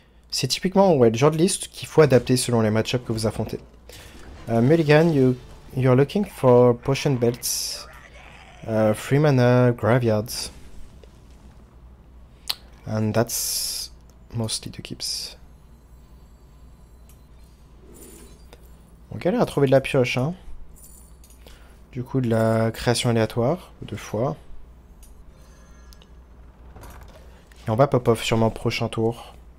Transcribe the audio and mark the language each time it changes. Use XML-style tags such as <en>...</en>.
<fr>C'est typiquement ouais, le genre de liste qu'il faut adapter selon les match-ups que vous affrontez.</fr> <en>Mulligan, you're looking for potion belts, free mana, graveyards. And that's mostly the keeps.</en> <fr>On galère à trouver de la pioche, hein. Du coup, de la création aléatoire, deux fois. Et on va pop off sûrement prochain tour.</fr>